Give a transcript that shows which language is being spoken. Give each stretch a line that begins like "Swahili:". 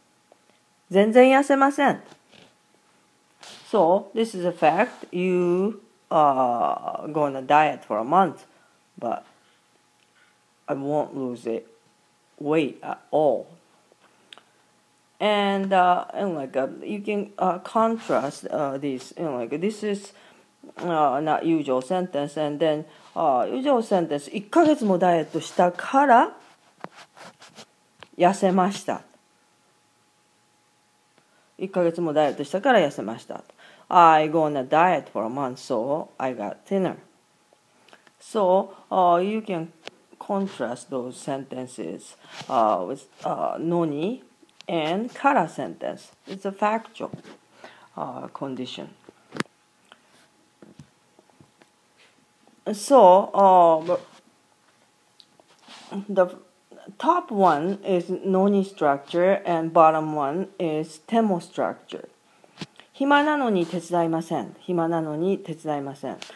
Japanese: 1ヶ月もダイエットしたのに全然痩せません.
English: So, this is a fact. You go on a diet for a month, but I won't lose it weight at all. And you can contrast these. You know, like, this is not usual sentence. And then, usual sentence,
Japanese: 1ヶ月もダイエットしたから痩せました. 1ヶ月もダイエットしたから痩せました.
English: I go on a diet for a month, so I got thinner. So you can contrast those sentences with noni and kara sentence. It's a factual condition. So the top one is noni structure and bottom one is temo structure.
Japanese: 暇なのに手伝いません。暇なのに手伝いません。